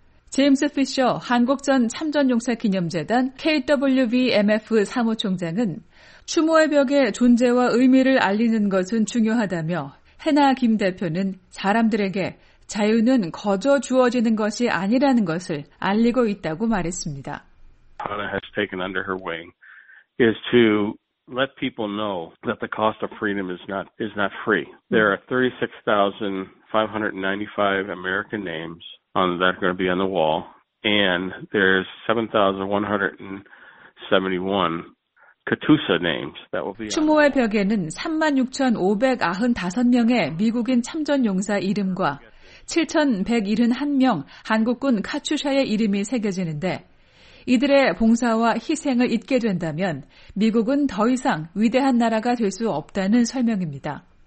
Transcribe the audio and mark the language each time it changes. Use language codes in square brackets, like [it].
[ko] 제임스 피셔 한국전 참전용사 기념재단 KWVMF 사무총장은 추모의 벽의 존재와 의미를 알리는 것은 중요하다며 해나 김 대표는 사람들에게 자유는 거저 주어지는 것이 아니라는 것을 알리고 있다고 말했습니다. [en] Hannah has taken under her wing is to let people know that the cost of freedom is not free. There are 36,595 American names on that are going to be on the wall, and there's 7,171 Katusa names that will be. [ko] 추모의 벽에는 36,595명의 미국인 참전 용사 이름과 7,171명 한국군 카투샤의 이름이 새겨지는데 이들의 봉사와 희생을 잊게 된다면 미국은 더 이상 위대한 나라가 될 수 없다는 설명입니다.